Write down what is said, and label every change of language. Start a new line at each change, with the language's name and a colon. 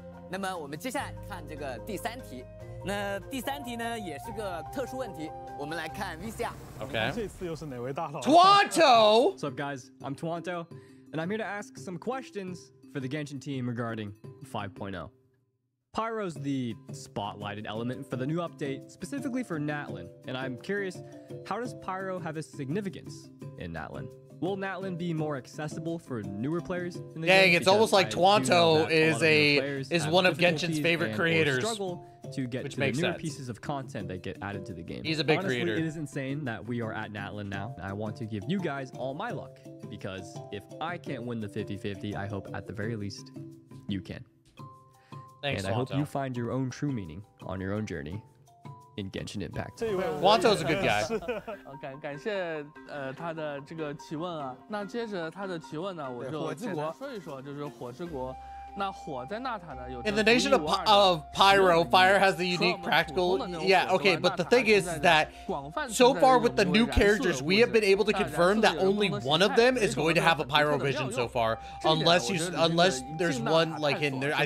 Chinese: 那么我们接下来看这个第三题。那第三题呢也是个特殊问题，我们来看 VCR。
English: OK，
Chinese: 这次又是哪位大佬？
English: Tuonto! What's up guys, I'm Tuonto, and I'm here to ask some questions for the Genshin team regarding 5.0. Pyro's the spotlighted element for the new update, specifically for Natlin, and I'm curious, how does Pyro have a significance in Natlin? Will Natlin be more accessible for newer players in the game? Dang, it's almost like Tuonto is one of Genshin's favorite creators. Which makes sense. Pieces of content that get added to the game. He's a big creator. Honestly, it is insane that we are at Natlin now. I want to give you guys all my luck, because if I can't win the 50-50, I hope at the very least you can. Thanks, Tuonto. I hope you find your own true meaning on your own journey. In Genshin Impact. Wanto's a good guy.
Chinese: 感谢他的这个提问啊。那接着他的提问呢，我就简单说一说，就是火之国。那火在纳塔呢，有。
English: In the nation of Pyro, fire has the unique practical. Yeah, okay, but the thing is that so far with the new characters, we have been able to confirm that only one of them is going to have a pyro vision so far, unless there's one like in there.